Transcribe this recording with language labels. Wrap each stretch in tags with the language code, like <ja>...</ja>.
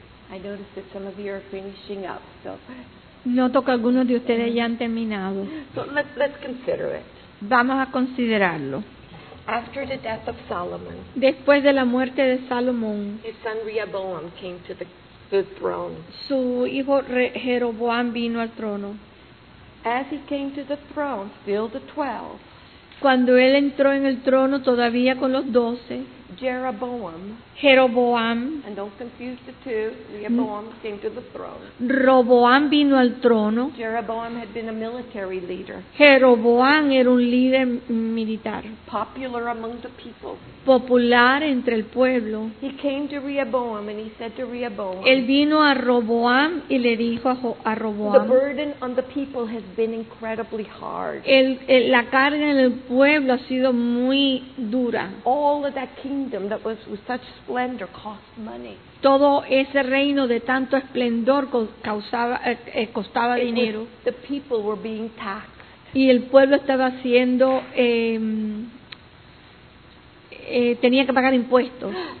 <en>I noticed that some of you are finishing up, so.</en> <es>Noto que algunos de ustedes ya han terminado.</es> <en>So let's consider it.</en> <es>Vamos a considerarlo.</es> <en>After the death of Solomon.</en> <es>Después de la muerte de Salomón.</es> <en>His son Rehoboam came to the throne.</en> <es>Su hijo Jeroboam vino al trono.</es> <en>As he came to the throne, still the 12.</en> <es>Cuando él entró en el trono todavía con los 12.</es> <en>Jeroboam, and don't confuse the two. Rehoboam came to the throne.</en> <es>Roboam vino al trono.</es> <en>Jeroboam had been a military leader.</en> <es>Jeroboam era un líder militar.</es> <en>Popular among the people.</en> <es>Popular entre el pueblo.</es> <en>He came to Rehoboam and he said to Rehoboam.</en> <es>Él vino a Roboam y le dijo a Roboam.</es> <en>The burden on the people has been incredibly hard.</en> <es>La carga en el pueblo ha sido muy dura.</es> <en>All of that kingdom that was with such splendor cost money.</en> <es>Todo ese reino de tanto esplendor costaba dinero.</es> <en>The people were being taxed.</en> <es>Y el pueblo estaba siendo tenía que pagar impuestos.</es>